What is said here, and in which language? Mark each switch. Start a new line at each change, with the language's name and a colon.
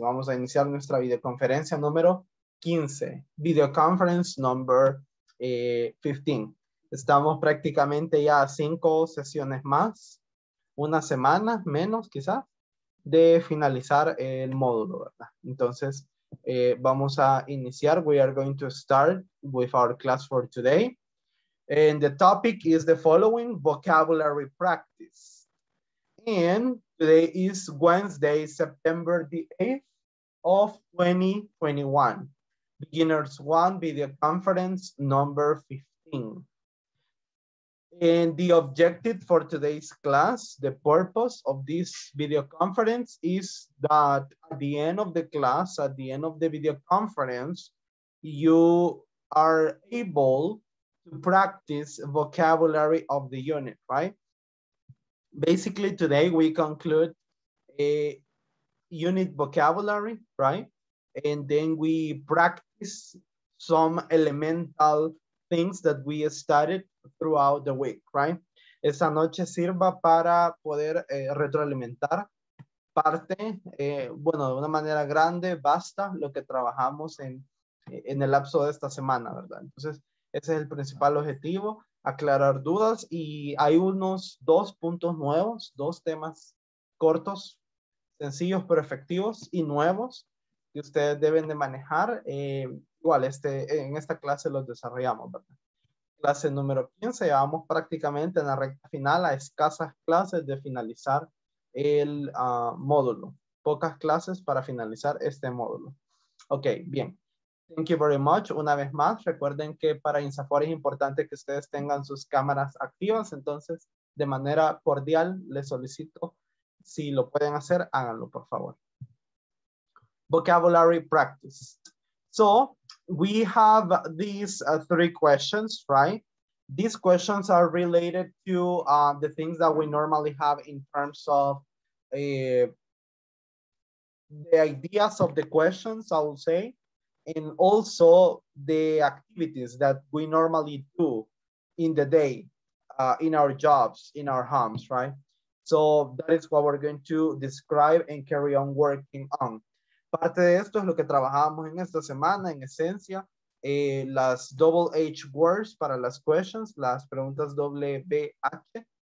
Spanish: Vamos a iniciar nuestra videoconferencia número 15.
English: Videoconference number 15.
Spanish: Estamos prácticamente ya a 5 sesiones más, una semana menos quizás, de finalizar el módulo, ¿verdad? Entonces, vamos a iniciar.
English: We are going to start with our class for today. And the topic is the following, vocabulary practice. And today is Wednesday, September the 8th of 2021. Beginners 1, video conference number 15. And the objective for today's class, the purpose of this video conference is that at the end of the class, at the end of the video conference, you are able to practice vocabulary of the unit, right? Basically, today we conclude a unit vocabulary, right? And then we practice some elemental things that we studied throughout the week, right?
Spanish: Esa noche sirva para poder retroalimentar parte, bueno, de una manera grande, basta lo que trabajamos en el lapso de esta semana, ¿verdad? Entonces, ese es el principal objetivo, aclarar dudas, y hay unos 2 puntos nuevos, 2 temas cortos, sencillos, pero efectivos y nuevos que ustedes deben de manejar. Igual, en esta clase los desarrollamos, ¿verdad? Clase número 15, ya vamos prácticamente en la recta final, a escasas clases de finalizar el módulo. Pocas clases para finalizar este módulo. Ok, bien.
English: Thank you very much.
Spanish: Una vez más, recuerden que para INSAFORP es importante que ustedes tengan sus cámaras activas. Entonces, de manera cordial, les solicito, si lo pueden hacer, háganlo, por favor.
English: Vocabulary practice. So we have these three questions, right? These questions are related to the things that we normally have in terms of the ideas of the questions, I would say, and also the activities that we normally do in the day, in our jobs, in our homes, right? So that is what we're going to describe and carry on working on.
Spanish: Parte de esto es lo que trabajamos en esta semana, en esencia, las double H words para las questions, las preguntas WH.